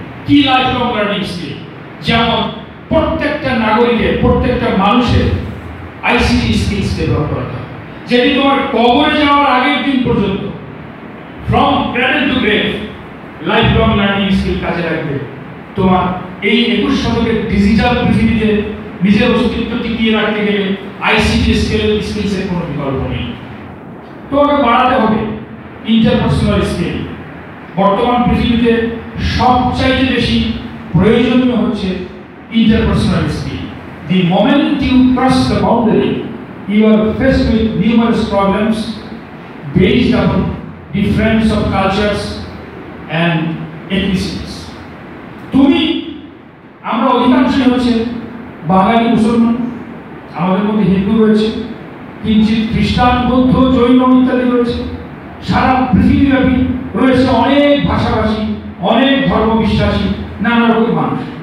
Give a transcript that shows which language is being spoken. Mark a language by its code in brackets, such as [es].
[bn] কি life long learning skill, যেমন প্রত্যেকটা নাগরিকের, প্রত্যেকটা মানুষের ICT স্কিলস ডেভেলপ করা, যেটি তোমার কবরে যাওয়ার আগের দিন পর্যন্ত [en] from cradle to grave [bn] life long learning skill কাজে লাগবে তোমার এই 21 শতকের ডিজিটাল পৃথিবীতে নিজের অস্তিত্ব টিকিয়ে রাখতে গেলে ICT স্কিলসের কোনো বিকল্প নেই। তোমাকে বাড়াতে হবে ইন্টারপার্সোনাল স্কিল, বর্তমান পৃথিবীতে সবচাইতে বেশি প্রয়োজনীয় হচ্ছে interpersonal skill. [en] The moment you cross the boundary you are faced with numerous problems based upon difference of cultures and ethnicities. [bn] তুমি আমরা অধিকাংশই হচ্ছে বাঙালি মুসলমান, আমাদের মধ্যে হিন্দু রয়েছে, কিঞ্চিৎ খ্রিস্টান, বৌদ্ধ, জৈন ইত্যাদি রয়েছে। সারা পৃথিবীব্যাপী রয়েছে অনেক ভাষাভাষী, অনেক ধর্মবিশ্বাসী, নানা রকম মানুষ।